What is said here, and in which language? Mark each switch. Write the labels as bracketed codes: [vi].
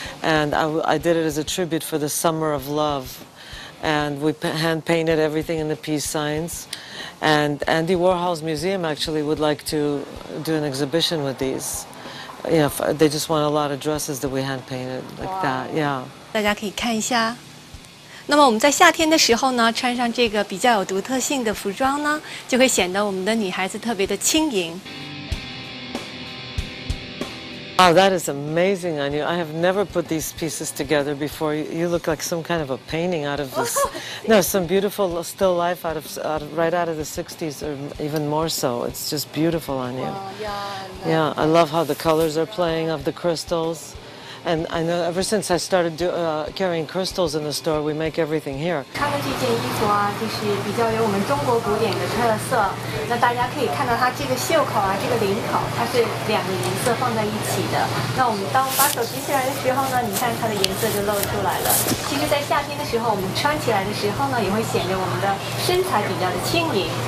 [en] And I did it as a tribute for the Summer of Love. And we hand painted everything in the peace signs. And Andy Warhol's museum actually would like to do an exhibition with these. Yeah, they just want a lot of dresses that we hand painted like that. Yeah. [zh] 大家可以看一下。那么我们在夏天的时候呢，穿上这个比较有独特性的服装呢，就会显得我们的女孩子特别的轻盈。 [en] Wow, that is amazing, Anya. I have never put these pieces together before. You look like some kind of a painting out of this. No, some beautiful still life out of the 60s, or even more so. It's just beautiful, Anya. Yeah, I love how the colors are playing of the crystals. And I know ever since I started carrying crystals in the store, we make everything here. [zh] 看到这件衣服啊，就是比较有我们中国古典的特色。那大家可以看到它这个袖口啊，这个领口，它是两个颜色放在一起的。那我们当把手举起来的时候呢，你看它的颜色就露出来了。其实，在夏天的时候，我们穿起来的时候呢，也会显得我们的身材比较的轻盈。